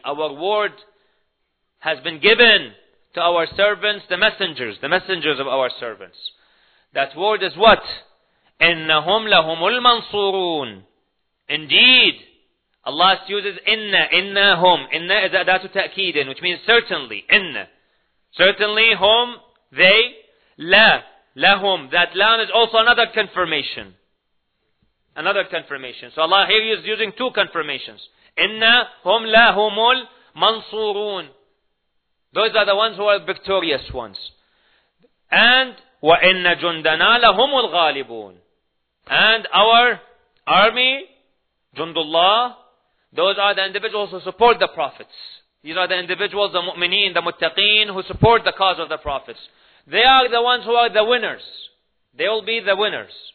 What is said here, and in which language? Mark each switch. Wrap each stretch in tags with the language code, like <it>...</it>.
<en>Our word has been given to our servants, the messengers of our servants. That word is what?</en> <ar>إِنَّهُمْ لَهُمُ الْمَنْصُورُونَ.</ar> <en>Indeed, Allah uses إِنَّهُمْ. إِنَّ is</en> <ar>أداة تأكيد,</ar> <en>which means certainly.</en> <ar>إِنَّ.</ar> <en>Certainly,</en> <ar>هُمْ,</ar> <en>they,</en> <ar>لَا, لَهُمْ.</ar> <en>That لَهُمْ is also another confirmation. Another confirmation. So Allah here is using two confirmations.</en> <ar>إِنَّهُمْ لَهُمُ الْمَنْصُورُونَ.</ar> <en>Those are the ones who are victorious ones.</en> <ar>And وَإِنَّ جُنْدَنَا لَهُمُ الْغَالِبُونَ.</ar> <en>And our army,</en> <ar>جُنْدُ اللَّهِ,</ar> <en>those are the individuals who support the prophets. These are the individuals, the mu'mineen, the muttaqeen, who support the cause of the prophets. They are the ones who are the winners. They will be the winners.</en>